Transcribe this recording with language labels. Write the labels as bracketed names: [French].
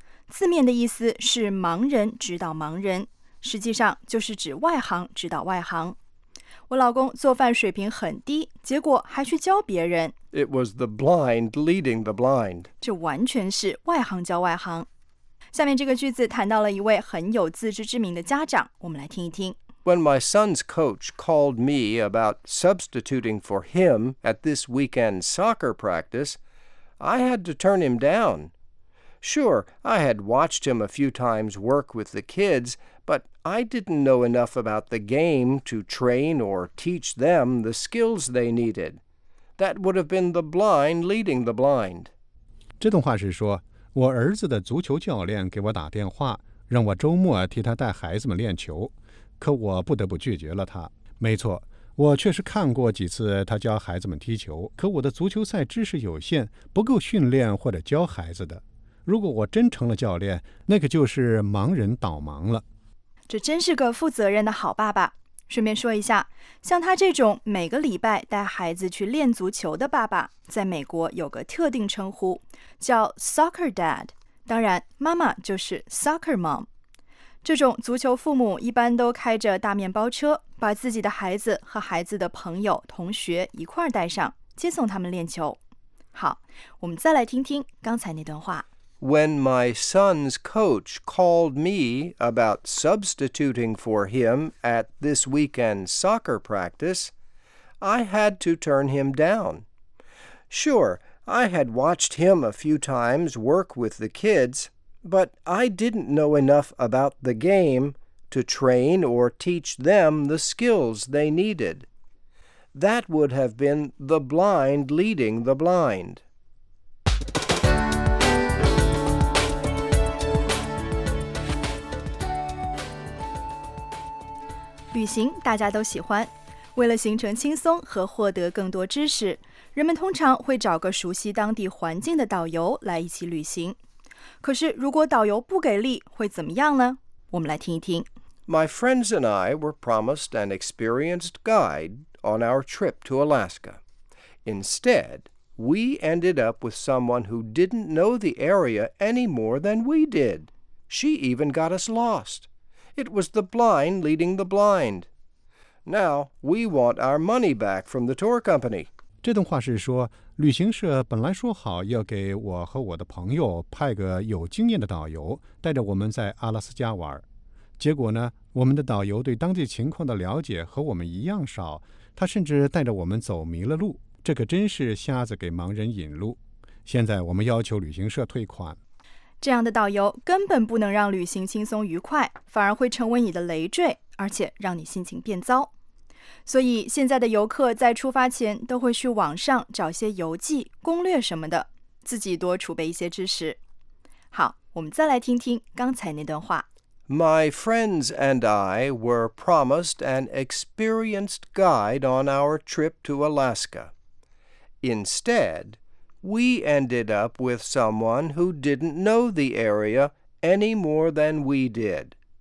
[Chinese] 字面的意思是盲人指导盲人，实际上就是指外行指导外行。我老公做饭水平很低，结果还去教别人。 [English] It was the blind leading the blind. [Chinese] 这完全是外行教外行。下面这个句子谈到了一位很有自知之明的家长，我们来听一听。 [English] When my son's coach called me about substituting for him at this weekend soccer practice, I had to turn him down. Sure, I had watched him a few times work with the kids,But I didn't know enough about the game to train or teach them the skills they needed. That would have been the blind leading the blind. [Chinese] 这段话是说，我儿子的足球教练给我打电话，让我周末替他带孩子们练球，可我不得不拒绝了他。没错，我确实看过几次他教孩子们踢球，可我的足球赛知识有限，不够训练或者教孩子的。如果我真成了教练，那可就是盲人导盲了。这真是个负责任的好爸爸。顺便说一下，像他这种每个礼拜带孩子去练足球的爸爸，在美国有个特定称呼，叫 soccer dad。当然，妈妈就是 soccer mom。这种足球父母一般都开着大面包车，把自己的孩子和孩子的朋友、同学一块带上，接送他们练球。好，我们再来听听刚才那段话。 [English] When my son's coach called me about substituting for him at this weekend's soccer practice, I had to turn him down. Sure, I had watched him a few times work with the kids, but I didn't know enough about the game to train or teach them the skills they needed. That would have been the blind leading the blind. [Chinese] 旅行大家都喜欢，为了行程轻松和获得更多知识，人们通常会找个熟悉当地环境的导游来一起旅行。可是如果导游不给力会怎么样呢？我们来听一听。 [English] My friends and I were promised an experienced guide on our trip to Alaska. Instead, we ended up with someone who didn't know the area any more than we did. She even got us lost. It was the blind leading the blind. Now, we want our money back from the tour company. [Chinese] 这段话是说，旅行社本来说好要给我和我的朋友派个有经验的导游，带着我们在阿拉斯加玩。结果呢，我们的导游对当地情况的了解和我们一样少，他甚至带着我们走迷了路。这可真是瞎子给盲人引路。现在我们要求旅行社退款。这样的导游根本不能让旅行轻松愉快，反而会成为你的累赘，而且让你心情变糟。所以现在的游客在出发前都会去网上找些游记、攻略什么的，自己多储备一些知识。好，我们再来听听刚才那段话。 [English] My friends and I were promised an experienced guide on our trip to Alaska. Instead,We ended up with someone who didn't know the area any more than we did.